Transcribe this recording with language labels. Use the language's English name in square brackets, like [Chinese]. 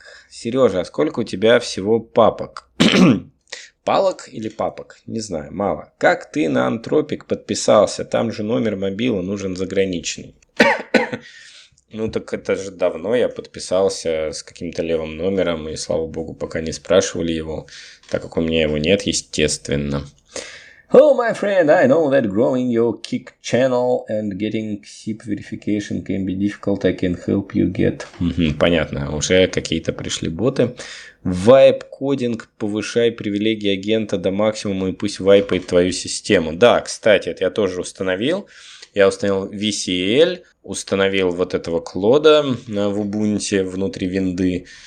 [Russian] Сережа, а сколько у тебя всего папок? Палок или папок? Не знаю, мало. Как ты на Anthropic подписался? Там же номер мобила нужен заграничный. Ну так это же давно я подписался с каким-то левым номером, и слава богу, пока не спрашивали его, так как у меня его нет, естественно. [English] Hello, my friend, I know that growing your kick channel and getting SIP verification can be difficult, I can help you get... [Russian] Понятно, уже какие-то пришли боты. Вайб-кодинг, повышай привилегии агента до максимума и пусть вайпает твою систему. Да, кстати, это я тоже установил. Я установил VCL, установил вот этого клода в Ubuntu внутри винды.